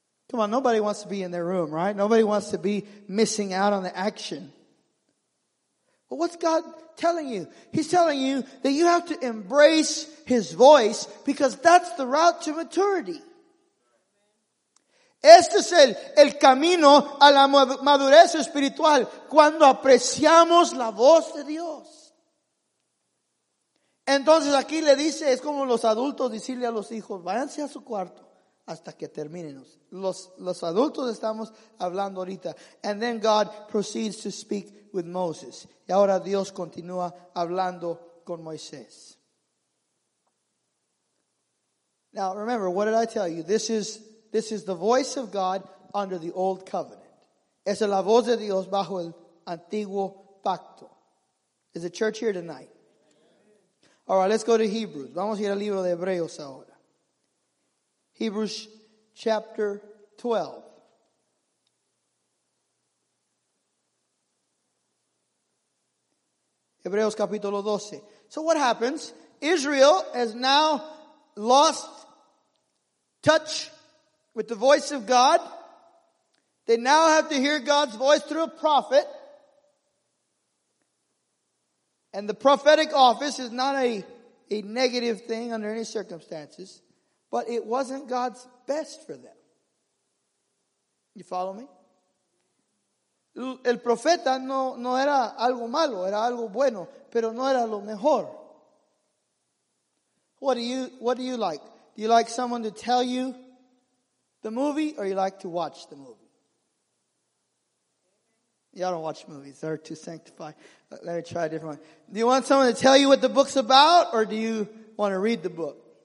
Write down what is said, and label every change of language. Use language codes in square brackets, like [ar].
[en] Come on, nobody wants to be in their room, right? Nobody wants to be missing out on the action. But what's God telling you? He's telling you that you have to embrace his voice because that's the route to maturity. [es] Este es el camino a la madurez espiritual cuando apreciamos la voz de Dios. Entonces aquí le dice, es como los adultos decirle a los hijos, váyanse a su cuarto hasta que terminen. Los adultos estamos hablando ahorita. [en] And then God proceeds to speak with Moses. [es] Y ahora Dios continúa hablando con Moisés. [en] Now remember, what did I tell you? This is the voice of God under the old covenant. [es] Esa es la voz de Dios bajo el antiguo pacto. [en] Is the church here tonight? All right, let's go to Hebrews. [es] Vamos a ir al libro de Hebreos ahora. [en] Hebrews chapter 12. [es] Hebreos capítulo 12. [en] So what happens? Israel has now lost touch with the voice of God. They now have to hear God's voice through a prophet. And the prophetic office is not a negative thing under any circumstances. But it wasn't God's best for them. You follow me? [es] El profeta no era algo malo, era algo bueno, pero no era lo mejor. [en] What do you like? Do you like someone to tell you the movie, or you like to watch the movie? Y'all don't watch movies. They're too sanctified. Let me try a different one. Do you want someone to tell you what the book's about, or do you want to read the book?